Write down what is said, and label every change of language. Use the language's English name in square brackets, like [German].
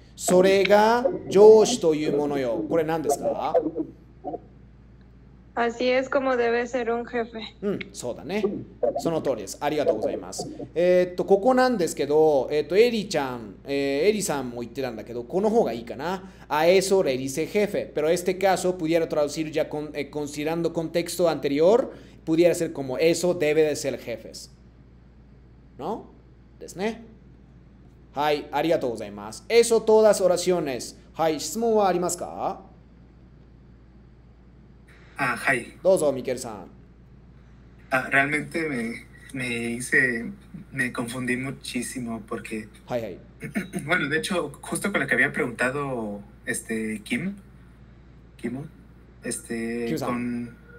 [Japanese] それが上司というものよ。これ何ですか？ [Spanish] Así es como debe ser un jefe。 [Japanese] うん、そうだね。その通りです。ありがとうございます。ここなんですけど、エリちゃん、エリさんも言ってたんだけど、この方がいいかな。 [Spanish] A eso le dice jefe。 Pero este caso pudiera traducir ya con, considerando contexto anterior, pudiera ser como eso debe de ser jefes。 ¿No? [Japanese] ですね。はい、ありがとうございます。 [Spanish] Eso todas oraciones。 [Japanese] はい、質問はありますか？あ、はい。どうぞ、ミケルさん。 [Spanish] あ、realmente me hice, me confundí muchísimo porque... [Japanese] はいはい。 [Spanish] bueno, de hecho, justo con lo que había preguntado este, Kim, Kimo, este, con...